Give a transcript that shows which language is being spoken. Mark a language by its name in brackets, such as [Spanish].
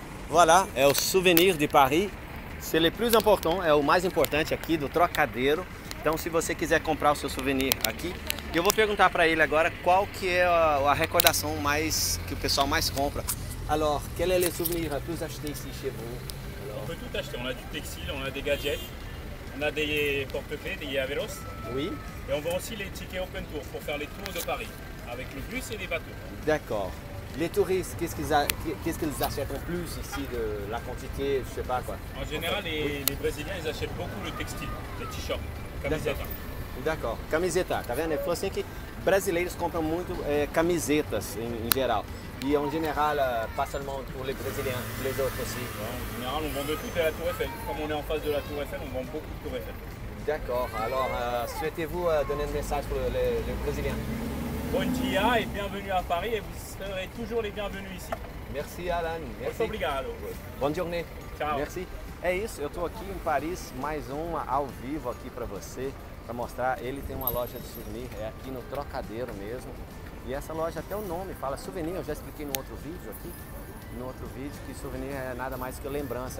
[Portuguese] Voilà, é o souvenir de Paris. [French] C'est le plus important, [Portuguese] é o mais importante aqui do Trocadeiro. Então, se você quiser comprar o seu souvenir aqui, eu vou perguntar para ele agora qual que é a recordação mais que o pessoal mais compra. [French] Alors, quel est le souvenir à plus acheter ici chez vous? On peut tout acheter. On a du textile, on a des gadgets, on a des porte-clés, des llaveros. Oui. Et on vend aussi les tickets Open Tour pour faire les tours de Paris avec le bus et les bateaux. D'accord. Les touristes, qu'est-ce qu'ils achètent en plus ici de la quantité, je sais pas quoi. En général, les Brésiliens, ils achètent beaucoup le textile, les t-shirts. [Portuguese] Camiseta. [French] D'accord. Camiseta. [Portuguese] Tá vendo? Ele falou assim que brasileiros compram muito camisetas em geral. E em geral, [French] pas seulement pour les brésiliens, les autres aussi. En général, on vend de tout à la Tour Eiffel. Comme on est en face de la Tour Eiffel, on vend beaucoup de Tour Eiffel. D'accord. Alors, souhaitez-vous donner un message pour les brésiliens? [Portuguese] Bon dia [French] et bienvenue à Paris et vous serez toujours les bienvenus ici. Merci Alain. Merci. [Portuguese] Muito obrigado. [French] Bonne journée. [Italian] Ciao. [French] Merci. [Portuguese] É isso, eu tô aqui em Paris, mais uma ao vivo aqui pra você, pra mostrar. Ele tem uma loja de souvenir, é aqui no Trocadeiro mesmo. E essa loja, até o nome fala souvenir, eu já expliquei no outro vídeo aqui, no outro vídeo, que souvenir é nada mais que lembrança.